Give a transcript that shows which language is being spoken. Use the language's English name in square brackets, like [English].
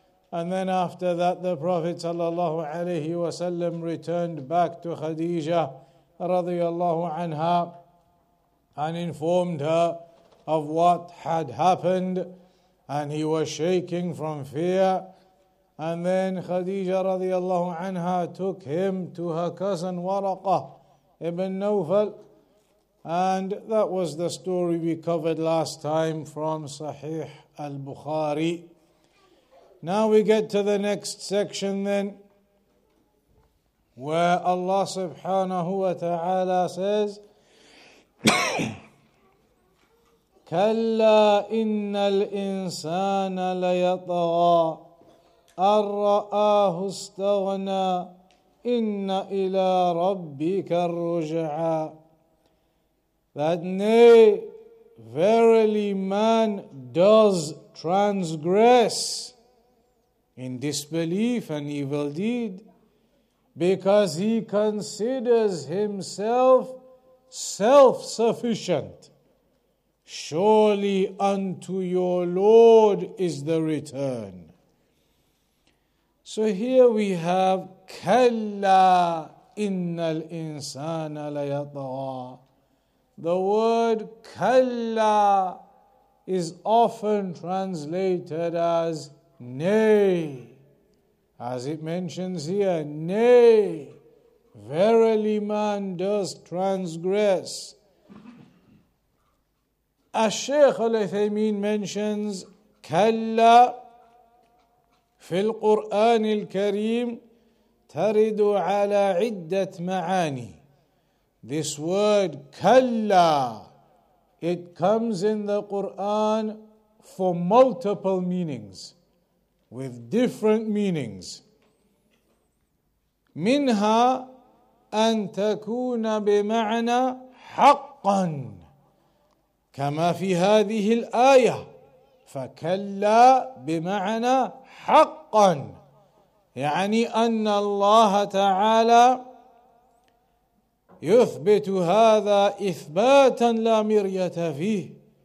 [English] And then after that, the Prophet sallallahu alayhi wa sallam returned back to Khadija radiyallahu anha and informed her of what had happened, and he was shaking from fear. And then Khadija radiallahu anha took him to her cousin Waraqah ibn Nawfal, and that was the story we covered last time from Sahih al-Bukhari. Now we get to the next section then, where Allah subhanahu wa ta'ala says, [Arabic] كلا إن الإنسان ليطغى أن رآه استغنى إن إلى ربك الرجعى. [English] That nay, verily man does transgress in disbelief and evil deed, because he considers himself self-sufficient. Surely unto your Lord is the return. So here we have [Arabic] kalla innal insana layatgha. [English] The word kalla is often translated as nay, as it mentions here, nay, verily man does transgress. [Arabic] الشيخ الأثيمين mentions كلا في القرآن الكريم ترد على عدة معاني. [English] This word kalla, it comes in the Quran for multiple meanings, with different meanings. [Arabic] منها أن تكون بمعنى حقا كما في هذه الآية فكلا بمعنى حقا يعني أن الله تعالى يثبت هذا إثباتا لا مرية فيه.